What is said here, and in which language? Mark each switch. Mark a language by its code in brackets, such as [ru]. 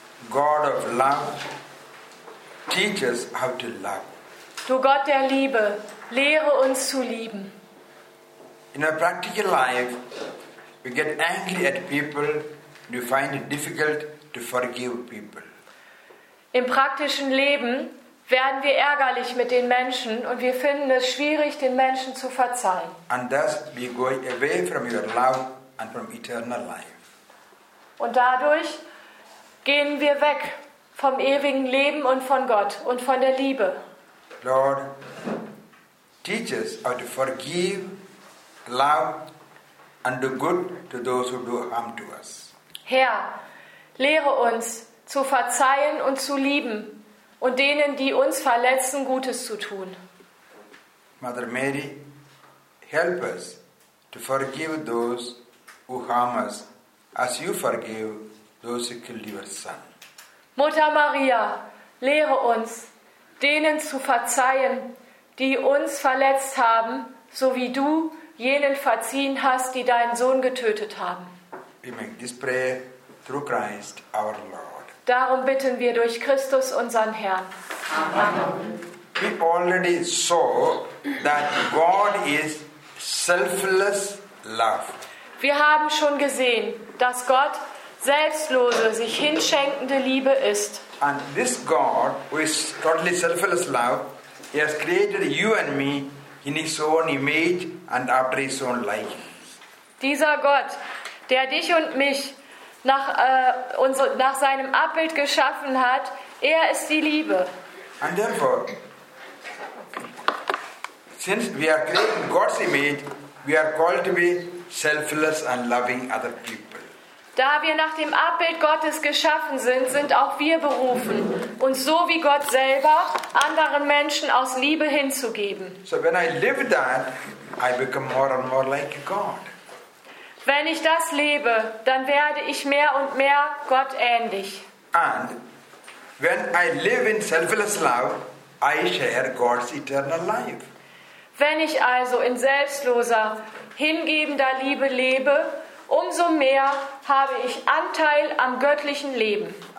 [en] God of love, teach us how to love. [de] Du Gott der Liebe, lehre uns zu lieben. [en] In our practical life, we get angry at people and we find it difficult to forgive people. [de] Im praktischen Leben werden wir ärgerlich mit den Menschen und wir finden es schwierig, den Menschen zu verzeihen. [en] And thus we go away from your love and from eternal life. [de] Und dadurch gehen wir weg vom ewigen Leben und von Gott und von der Liebe. [en] Lord, teach us how to forgive, love and do good to those who do harm to us. [de] Herr, lehre uns zu verzeihen und zu lieben und denen, die uns verletzen, Gutes zu tun. [en] Mother Mary, help us to forgive those who harm us as you forgive those who killed your son. [de] Mutter Maria, lehre uns, denen zu verzeihen, die uns verletzt haben, so wie du jenen verziehen hast, die deinen Sohn getötet haben. [en] We make this prayer through Christ our Lord. [de] Darum bitten wir durch Christus unseren Herrn. [en] Amen. We already saw that God is selfless love. [de] Wir haben schon gesehen, dass Gott selbstlose, sich hinschenkende Liebe ist. [en] And this God, who is totally selfless love, he has created you and me in his own image and after his own likeness. [de] Dieser Gott, der dich und mich nach seinem Abbild geschaffen hat, er ist die Liebe. [en] And therefore, since we are created in God's image, we are called to be selfless and loving other people. [de] Da wir nach dem Abbild Gottes geschaffen sind, sind auch wir berufen, uns so wie Gott selber anderen Menschen aus Liebe hinzugeben. [en] So when I live that, I become more and more like God. [de] Wenn ich das lebe, dann werde ich mehr und mehr Gott ähnlich. [en] And when I live in selfless love, I share God's eternal life. [de] Wenn ich also in selbstloser, hingebender Liebe lebe, umso mehr habe ich Anteil am göttlichen Leben.